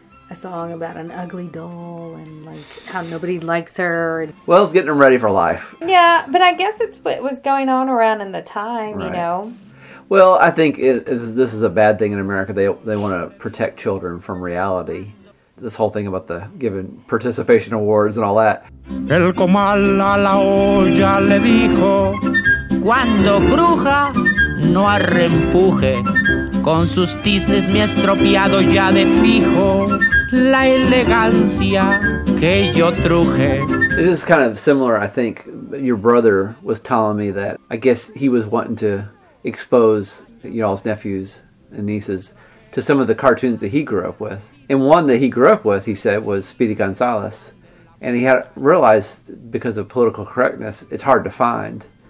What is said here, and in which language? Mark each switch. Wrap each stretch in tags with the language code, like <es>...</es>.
<en>a song about an ugly doll and like how nobody likes her. Well, it's getting them ready for life. Yeah, but I guess it's what was going on around in the time, right. You know. Well, I think this is a bad thing in America. They want to protect children from reality. This whole thing about the giving participation awards and all that.</en> <es>El comal a la olla le dijo, cuando bruja no arrempuje, con sus tiznes me ha estropeado ya de fijo la elegancia que yo truje.</es> <en>This is kind of similar, I think. Your brother was telling me that, I guess he was wanting to expose y'all's nephews and nieces to some of the cartoons that he grew up with. And one that he grew up with, he said, was Speedy Gonzales. And he had realized, because of political correctness, it's hard to find.</en>